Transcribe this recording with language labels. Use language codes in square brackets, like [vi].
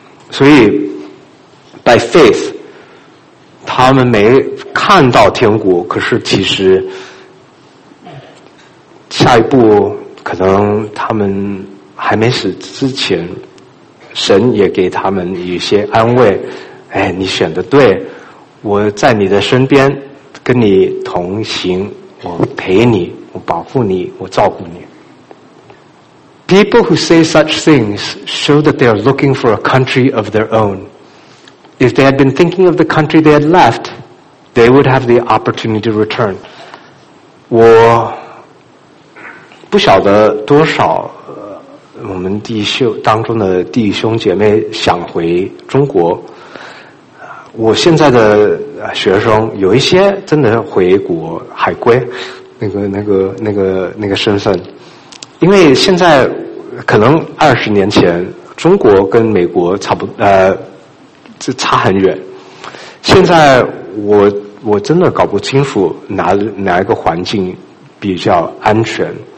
[zh] 所以 [en] by faith [zh] 他们没看到天国，可是其实下一步可能他们还没死之前，神也给他们一些安慰，哎，你选的对，我在你的身边跟你同行，我陪你，我保护你，我照顾你。 [en] People who say such things show that they are looking for a country of their own. If they had been thinking of the country they had left, they would have the opportunity to return. [zh] 我不晓得多少我们弟兄当中的弟兄姐妹想回中国，我现在的学生有一些真的回国海归，那个身份，因为现在可能20年前中国跟美国差很远，现在我真的搞不清楚哪一个环境比较安全。